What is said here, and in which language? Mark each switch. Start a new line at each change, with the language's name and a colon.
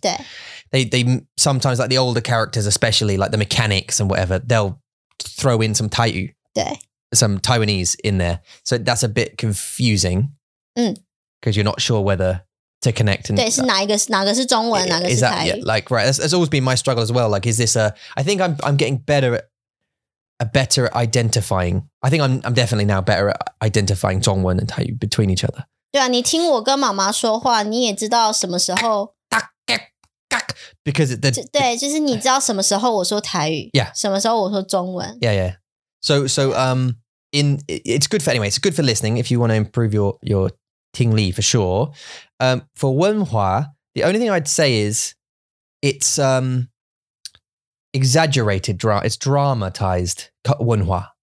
English: They sometimes, like the older characters, especially like the mechanics and whatever, they'll throw in some 台语, some Taiwanese in there. So that's a bit confusing. Because you're not sure whether to connect. And
Chinese: 对,是哪一个是中文, 哪个是台语。
English: Is that, yeah, like, right, that's always been my struggle as well. Like, is this a, I think I'm getting better at, identifying. I think I'm definitely now better at identifying 中文 and 台语 between each other.
Chinese: 对啊,你听我跟妈妈说话,你也知道什么时候,
English: because the,
Chinese: 对,就是你知道什么时候我说台语,
English: yeah.
Chinese: 什么时候我说中文。
English: Yeah, yeah. So, it's good for listening if you want to improve your Ting Li for sure. For Wenhua, the only thing I'd say is it's exaggerated, it's dramatized Wenhua.